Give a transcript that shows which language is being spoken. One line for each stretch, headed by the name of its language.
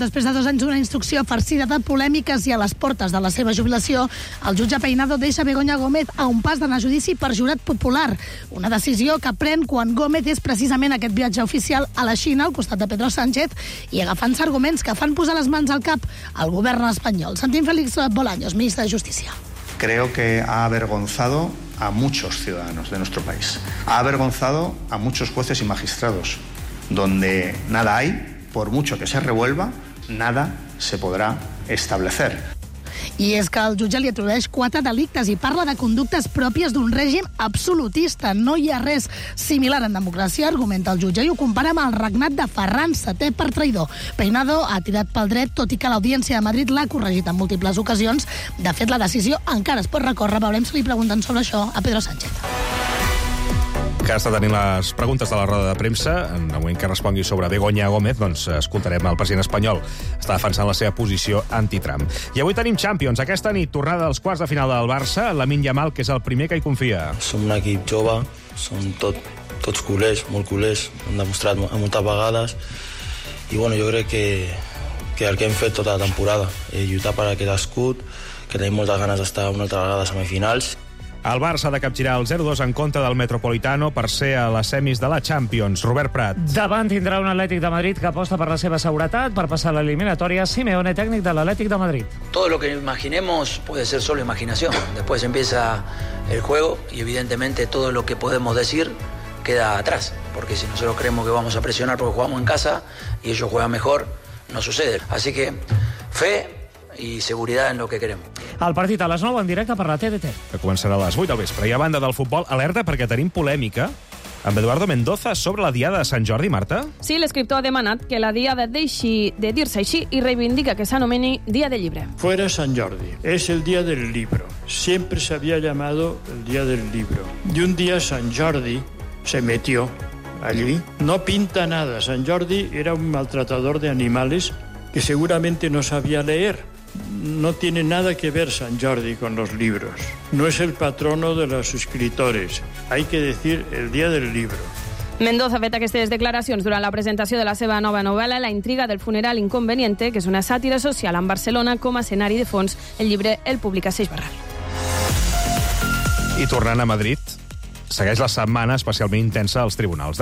Catalan: Després de dos anys d'una instrucció farcida de polèmiques i a les portes de la seva jubilació, el jutge Peinado deixa Begoña Gómez a un pas d'anar a judici per jurat popular. Una decisió que pren quan Gómez és precisament aquest viatge oficial a la Xina, al costat de Pedro Sánchez, i agafant-se arguments que fan posar les mans al cap al govern espanyol. Sentim Félix Bolaños, ministre de Justícia.
Spanish: Creo que ha avergonzado a muchos ciudadanos de nuestro país. Ha avergonzado a muchos jueces y magistrados. Donde nada hay, por mucho que se revuelva, nada se podrá establecer.
Catalan: I és que el jutge li atribueix quatre delictes i parla de conductes pròpies d'un règim absolutista. No hi ha res similar en democràcia, argumenta el jutge, i ho compara amb el regnat de Ferran VII per traïdor. Peinado ha tirat pel dret, tot i que l'Audiència de Madrid l'ha corregit en múltiples ocasions. De fet, la decisió encara es pot recórrer. Veurem si li pregunten sobre això a Pedro Sánchez. que està tenint les preguntes de la roda de premsa, en el moment que respongui sobre Begoña Gómez, doncs escoltarem el president espanyol. Està defensant la seva posició anti-Trump. I avui tenim Champions. Aquesta nit, tornada als quarts de final del Barça, Lamine Yamal, que és el primer que hi confia. Som un equip jove, som tots culers, molt culers, hem demostrat moltes vegades, i bueno, jo crec que el que hem fet tota la temporada, lluitar per aquest escut, que tenim moltes ganes d'estar una altra vegada a semifinals. El Barça ha de capgirar el 0-2 en contra del Metropolitano per ser a les semis de la Champions. Robert Prat. Davant tindrà un Atlètic de Madrid que aposta per la seva seguretat per passar l'eliminatòria. Simeone, tècnic de l'Atlètic de Madrid.
Spanish: Todo lo que imaginemos puede ser solo imaginación. Después empieza el juego y evidentemente todo lo que podemos decir queda atrás. Porque si nosotros creemos que vamos a presionar porque jugamos en casa y ellos juegan mejor, no sucede. Así que
Catalan: fe i seguretat en el que creiem. El partit a les 9 en directe per la TDT. Que començarà a les 8 del vespre. I a banda del futbol, alerta perquè tenim polèmica amb Eduardo Mendoza sobre la Diada de Sant Jordi, Marta. Sí, l'escriptor ha demanat que la Diada deixi de dir-se així i reivindica que s'anomeni Dia del Llibre.
Spanish: Fuera Sant Jordi.
Catalan: És el
Spanish: Dia del Libro. Siempre se había llamado el Dia del Libro. Y un día Sant Jordi se metió allí. No pinta nada. Sant Jordi era un maltratador de animales que seguramente no sabía leer. No tiene nada que ver Sant Jordi con los libros. No es el patrono de los escritores. Hay que decir el Día del Libro.
Catalan: Mendoza ha fet aquestes declaracions durant la presentació de la seva nova novel·la, La intriga del funeral inconveniente, que és una sàtira social en Barcelona com a escenari de fons. El llibre el publica Seix Barral. I tornant a Madrid, segueix la setmana especialment intensa als tribunals.